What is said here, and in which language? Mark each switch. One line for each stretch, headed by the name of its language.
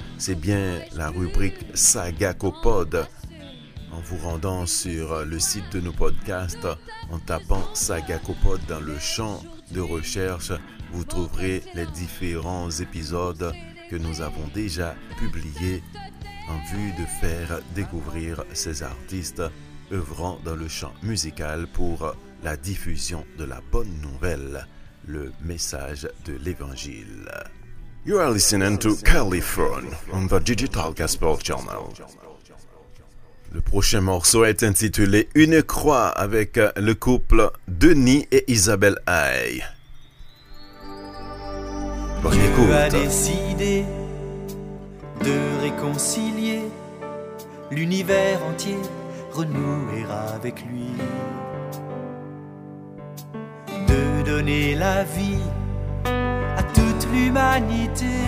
French: C'est bien la rubrique Sagacopod. En vous rendant sur le site de nos podcasts, en tapant Sagacopod dans le champ de recherche, vous trouverez les différents épisodes que nous avons déjà publiés en vue de faire découvrir ces artistes œuvrant dans le champ musical pour la diffusion de la bonne nouvelle, le message de l'Évangile.
English: You are listening to California on the Digital Gospel Channel.
French: Le prochain morceau est intitulé « Une croix » avec le couple Denis et Isabelle Haï. Bonne écoute. Dieu a décidé de réconcilier l'univers entier, renouer avec lui, de donner la vie à toute l'humanité.